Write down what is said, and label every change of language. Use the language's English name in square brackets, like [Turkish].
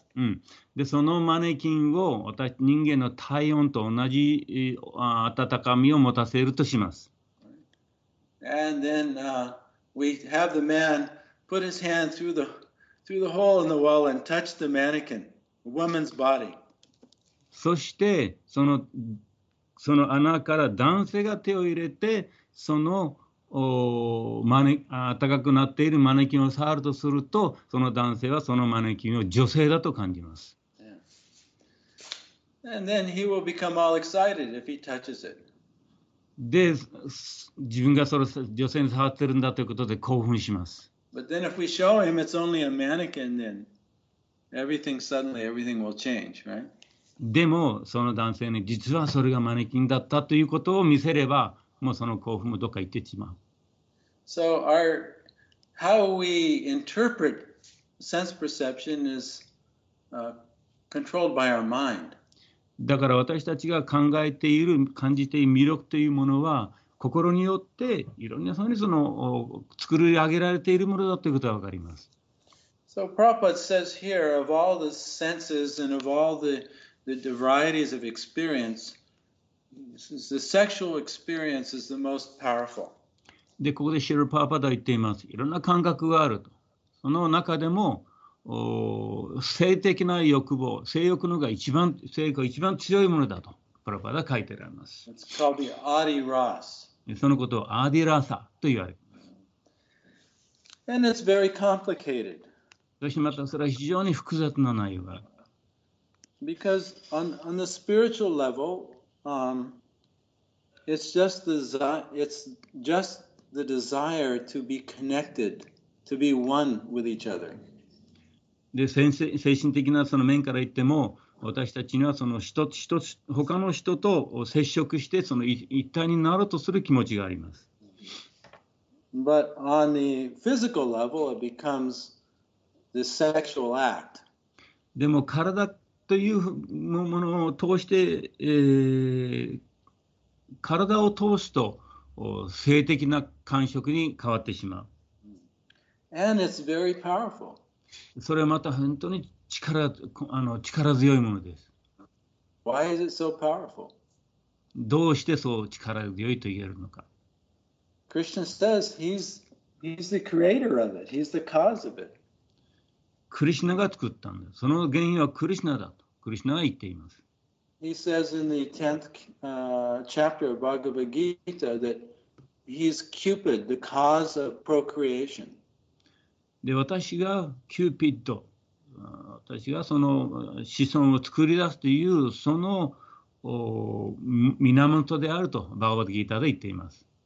[Japanese] うん、でそのマネキンを人間の体温と同じ温かみを持たせるとします。 [English] And then, we have the man put his hand through the hole in the wall and touch the mannequin, a woman's body. [Japanese] そしてその穴から男性が手を入れてそのマネ暖かくなっているマネキンを触るとすると、その男性はそのマネキンを女性だと感じます。 [English] Yeah. And then he will become all excited if he touches it. [Japanese] で、自分がその女性に触ってるんだということで興奮します。 [English] But then if we show him it's only a mannequin, then everything suddenly everything will change, right? [Japanese] でもその男性に実はそれがマネキンだったということを見せれば。もうその興奮もどっか行ってしまう。 [English] So our how we interpret sense perception is controlled by our mind. [Japanese] だから私たちが考えている感じている魅力というものは心によっていろんなふうにその作り上げられているものだということがわかります。 [English] So Prabhupada says here of all the senses and of all the varieties of experience. The sexual experience is the most powerful. [Japanese] で、ここでシルパーパダ言っています。いろんな感覚があると。その中でも、性的な欲望、性欲のが一番、性欲が一番強いものだと、プラパダ書いてあります。 [English] It's called the Adiras. [Japanese] そのことをアディラサと言われます。 [English] And it's very complicated. [Japanese] そしてまたそれは非常に複雑な内容がある。 [English] Because on the spiritual level,it's just the desire to be connected, to be one with each other. [Japanese] で、精神的なその面から言っても、私たちにはその一つ他の人と接触してその一体になろうとする気持ちがあります。 [English] But on the physical level, it becomes the sexual act. [Japanese] でも体というものを通して、体を通すと性的な感触に変わってしまう。 [English] And it's very powerful. [Japanese] それはまた本当に力強いものです。 [English] Why is it so powerful? [Japanese] どうしてそう力強いと言えるのか。 [English] Krishna says he's the creator of it. He's the cause of it. [Japanese] クリシナが作ったんだ。その原因はクリシナだと。クリシナは言っています。 [English] He says in the 10th chapter of Bhagavad Gita that he's Cupid, the cause of procreation. [Japanese] で、私がキューピッド、私がその子孫を作り出すというその源であると、バガヴァッド・ギーターで言っています。